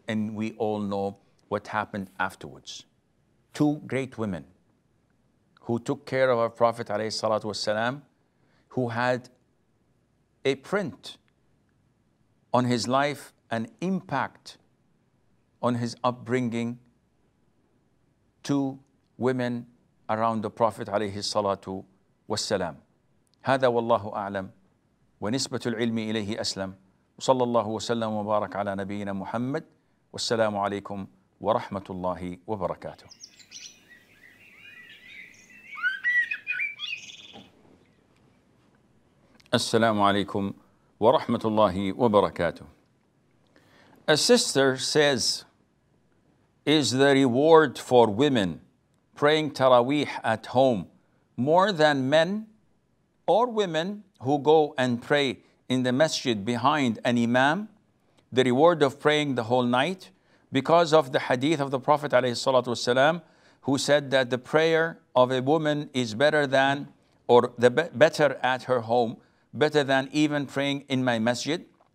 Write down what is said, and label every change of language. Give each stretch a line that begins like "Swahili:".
English: And we all know what happened afterwards. Two great women who took care of our Prophet ﷺ, who had a print on his life, an impact on his upbringing, two women around the Prophet alayhi salatu wassalam.
Arabic: هذا والله أعلم ونسبة العلم إليه أسلم صلى الله وسلم وبارك على نبينا محمد والسلام عليكم ورحمة الله وبركاته. السلام عليكم ورحمة الله وبركاته.
English: A sister says, "Is the reward for women praying Taraweeh at home more than men or women who go and pray in the masjid behind an imam? The reward of praying the whole night, because of the hadith of the Prophet ﷺ, who said that the prayer of a woman is better than, or the better at her home, better than even praying in my masjid."